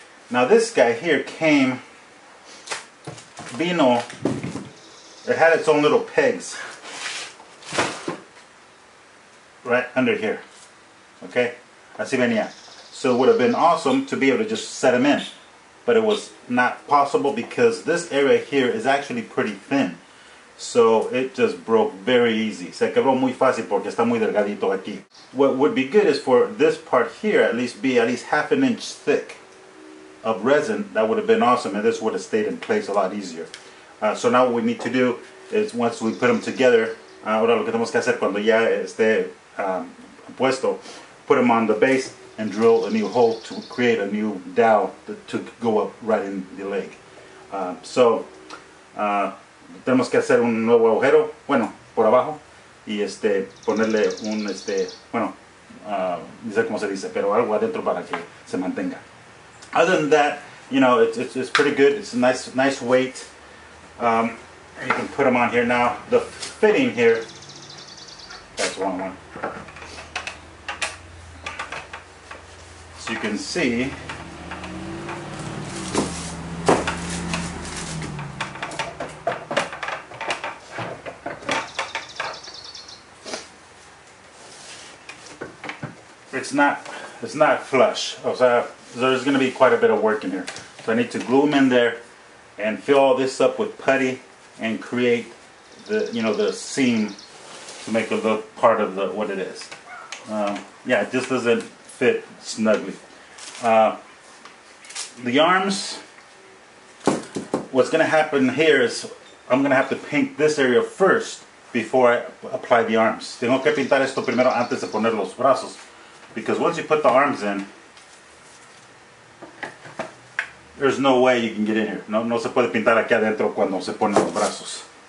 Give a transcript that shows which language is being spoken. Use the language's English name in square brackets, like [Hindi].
[English] Now this guy here came. [Spanish] Vino, [English] it had its own little pegs right under here, okay? [Spanish] Así venía. [English] So it would have been awesome to be able to just set them in, but it was not possible because this area here is actually pretty thin. So it just broke very easy. [Spanish] Se quebró muy fácil porque está muy delgadito aquí. [English] What would be good is for this part here at least be at least half an inch thick of resin. That would have been awesome, and this would have stayed in place a lot easier. So now what we need to do is once we put them together, [Spanish] ahora lo que tenemos que hacer cuando ya esté puesto, [English] put them on the base and drill a new hole to create a new dowel to go up right in the leg. [Spanish] So tenemos que hacer un nuevo agujero, bueno, por abajo, y ponerle un no sé cómo se dice, pero algo adentro para que se mantenga. [English] Other than that, you know, it's pretty good. It's a nice weight. You can put them on here now. The fitting here, that's the wrong one. So you can see, it's not flush. There's going to be quite a bit of work in here. So I need to glue them in there and fill all this up with putty and create the seam to make it look part of what it is. It just doesn't fit snugly. The arms, what's going to happen here is I'm going to have to paint this area first before I apply the arms. [Spanish] Tengo que pintar esto primero antes de poner los brazos. [English] Because once you put the arms in, there's no way you can get in here. [Spanish] No se puede pintar aquí adentro cuando se ponen los brazos.